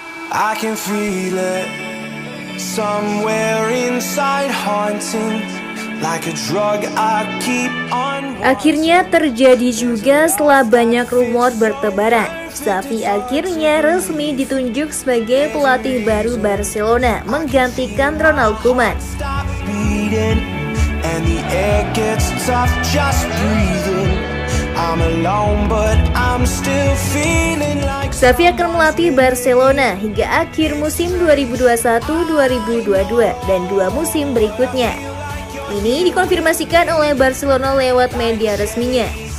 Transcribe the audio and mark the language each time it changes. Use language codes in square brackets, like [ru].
[en] I can feel it somewhere inside haunting like a drug I keep on. [id] Akhirnya terjadi juga setelah banyak rumor bertebaran. Xavi akhirnya resmi ditunjuk sebagai pelatih baru Barcelona menggantikan Ronald Koeman. [en] And the air gets tough just breathing. I'm alone but I'm still feeling like. [id] Xavi akan melatih Barcelona hingga akhir musim 2021-2022 dan dua musim berikutnya. Ini dikonfirmasikan oleh Barcelona lewat media resminya.